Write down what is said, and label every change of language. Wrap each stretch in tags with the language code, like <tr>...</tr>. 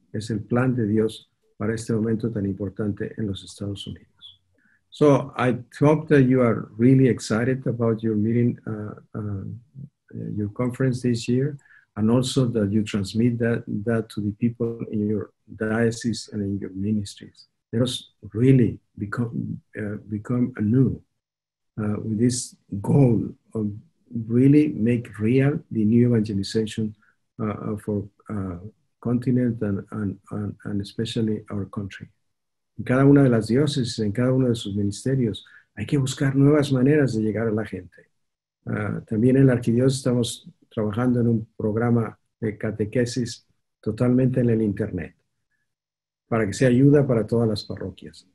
<es>Es el plan de Dios para este momento tan importante en los Estados Unidos.</es> <en>So, I hope that you are really excited about your meeting, your conference this year, and also that you transmit that to the people in your diocese and in your ministries. Let us really become anew with this goal of really make real the new evangelization for continent and especially our country.</en> <es>En cada una de las diócesis, en cada uno de sus ministerios, hay que buscar nuevas maneras de llegar a la gente. También en la arquidiócesis estamos trabajando en un programa de catequesis totalmente en el internet, para que sea ayuda para todas las parroquias.</es>